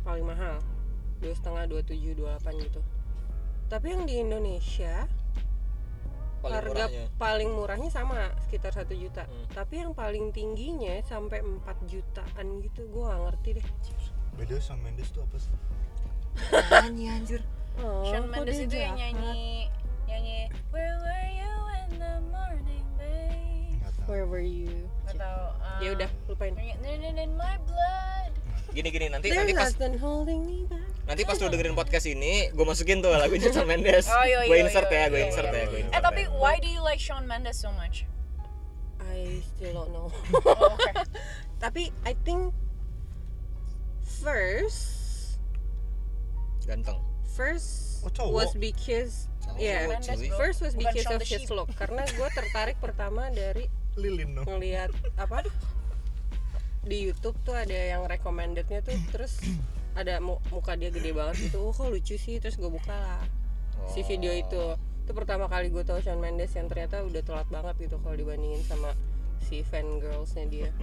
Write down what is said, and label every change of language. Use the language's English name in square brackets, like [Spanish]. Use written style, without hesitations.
[Indonesian] Paling mahal 2,5, 2,7, 2,8 gitu. Tapi yang di Indonesia paling harga murahnya, paling murahnya sama sekitar 1 juta. Tapi yang paling tingginya sampai 4 jutaan gitu, gue nggak ngerti deh. Beda Shawn Mendes tuh apa sih? Nyanyi anjir. [English] Shawn Mendes [Indonesian] itu yang nyanyi [English] Where were you in the morning, babe? Where were you? [Indonesian] Atau ya udah lupain. [English] In my blood. [Indonesian] Gini-gini nanti pas nanti pas lo dengerin podcast ini, gue masukin tuh lagunya Shawn Mendes. Gue insert ya. Tapi [English] why do you like Shawn Mendes so much? I still don't know. Okay. Tapi I think first [Indonesian] ganteng. [English] First was because first was because of his look. [Indonesian] Karena gue tertarik pertama dari Lilin dong. Ngeliat apa di YouTube tuh ada yang recommendednya tuh, terus ada muka dia gede banget gitu. Oh, kok lucu sih, terus gue buka lah si video itu. Itu pertama kali gue tahu Shawn Mendes yang ternyata udah telat banget gitu kalau dibandingin sama si fan girls-nya dia.